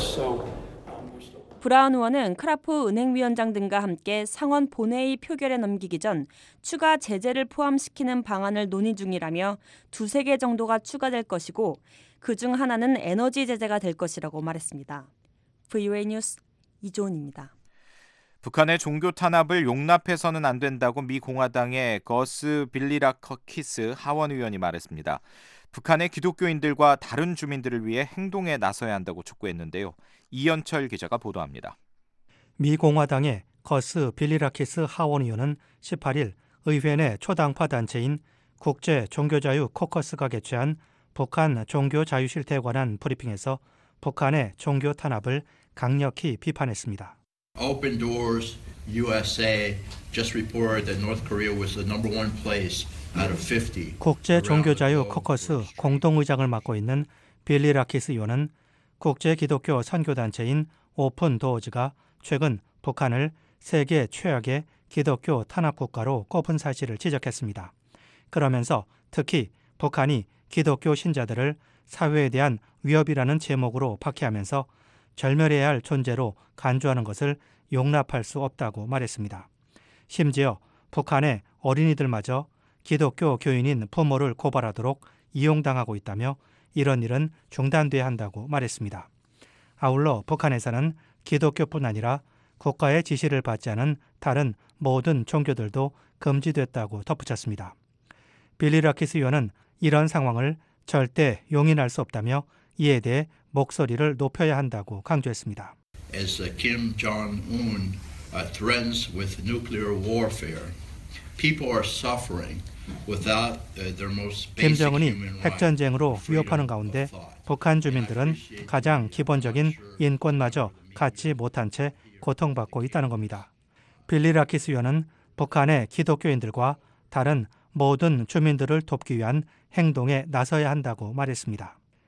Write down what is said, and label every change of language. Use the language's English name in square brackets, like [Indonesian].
[English] So. [Korean] 브라운 의원은 크라프 은행위원장 등과 함께 상원 본회의 표결에 넘기기 전 추가 제재를 포함시키는 방안을 논의 중이라며 두세 개 정도가 추가될 것이고 그중 하나는 에너지 제재가 될 것이라고 말했습니다. VOA 뉴스 이조은입니다. 북한의 종교 탄압을 용납해서는 안 된다고 미 공화당의 거스 빌리라커키스 하원의원이 말했습니다. 북한의 기독교인들과 다른 주민들을 위해 행동에 나서야 한다고 촉구했는데요. 이현철 기자가 보도합니다. 미 공화당의 거스 빌리라키스 하원의원은 18일 의회 내 초당파 단체인 국제 종교자유 코커스가 개최한 북한 종교자유실태에 관한 브리핑에서 북한의 종교 탄압을 강력히 비판했습니다. [English] Open Doors USA just reported that North Korea was the number one place out of 50. [Korean] 국제 종교자유 코커스 공동의장을 맡고 있는 빌리 라키스 의원은 국제 기독교 선교단체인 오픈 도어즈가 최근 북한을 세계 최악의 기독교 탄압 국가로 꼽은 사실을 지적했습니다. 그러면서 특히 북한이 기독교 신자들을 사회에 대한 위협이라는 제목으로 박해하면서 절멸해야 할 존재로 간주하는 것을 용납할 수 없다고 말했습니다. 심지어 북한의 어린이들마저 기독교 교인인 부모를 고발하도록 이용당하고 있다며 이런 일은 중단돼야 한다고 말했습니다. 아울러 북한에서는 기독교뿐 아니라 국가의 지시를 받지 않은 다른 모든 종교들도 금지됐다고 덧붙였습니다. 빌리 라키스 의원은 이런 상황을 절대 용인할 수 없다며 이에 대해 목소리를 높여야 한다고 강조했습니다. [English] As Kim Jong-un threatens with nuclear warfare, people are suffering without their most basic human rights. [Korean] 김정은이 핵전쟁으로 위협하는 가운데 북한 주민들은 가장 기본적인 인권마저 갖지 못한 채 고통받고 있다는 겁니다. 빌리 라키스 의원은 북한의 기독교인들과 다른 모든 주민들을 돕기 위한 행동에 나서야 한다고 말했습니다.